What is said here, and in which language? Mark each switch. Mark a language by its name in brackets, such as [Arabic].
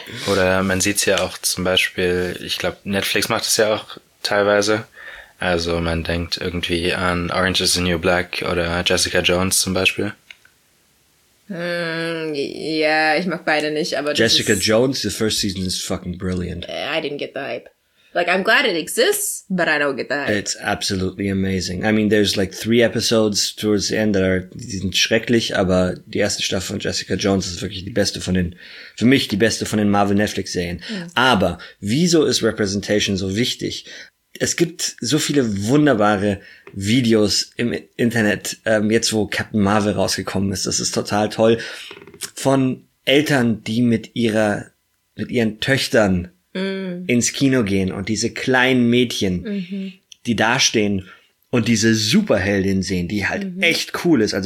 [German] Oder man sieht es ja auch zum Beispiel, ich glaube, Netflix macht es ja auch teilweise. Also man denkt irgendwie an Orange is the New Black oder Jessica Jones zum Beispiel. Ja, ich mag beide nicht, aber [English] Jessica Jones, the first season is fucking brilliant. I didn't get the hype. Like, I'm glad it exists, but I don't get the hype. It's absolutely amazing. I mean, there's like 3 episodes towards the end that are, [German] die sind schrecklich, aber die erste Staffel von Jessica Jones ist wirklich die beste von den, für mich die beste von den Marvel-Netflix-Serien. Ja. Aber wieso ist Representation so wichtig? Es gibt so viele wunderbare Videos im Internet, jetzt wo Captain Marvel rausgekommen ist, das ist total toll, von Eltern, die mit ihren Töchtern ins Kino gehen und diese kleinen Mädchen, die dastehen und diese Superheldin sehen, die halt echt cool ist.